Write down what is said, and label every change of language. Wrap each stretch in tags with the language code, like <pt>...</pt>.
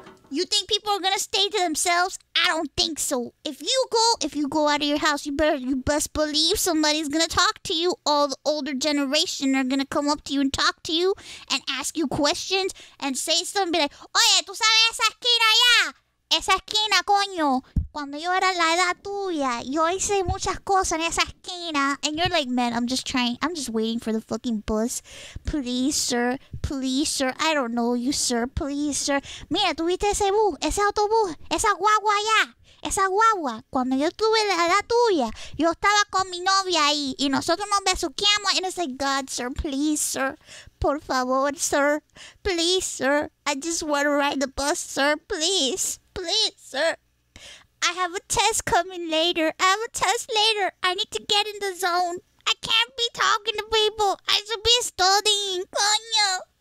<en>You think people are gonna stay to themselves? I don't think so. If you go out of your house, you best believe somebody's gonna talk to you. All the older generation are gonna come up to you and talk to you and ask you questions and say something, be like,</en> <es>oye, tú sabes esa esquina allá? Esa esquina, coño. Cuando yo era la edad tuya, yo hice muchas cosas en esa esquina.</es> <en>And you're like, man, I'm just waiting for the fucking bus. Please, sir, I don't know you, sir, please, sir.</en> <es>Mira, tuviste ese bus, ese autobús, esa guagua allá, esa guagua. Cuando yo tuve la edad tuya, yo estaba con mi novia ahí, y nosotros nos besuqueamos.</es> <en>And it's like, God, sir, please, sir, por favor, sir, please, sir. I just want to ride the bus, sir, please, please, sir. I have a test coming later. I have a test later. I need to get in the zone. I can't be talking to people. I should be studying. Coño.</en>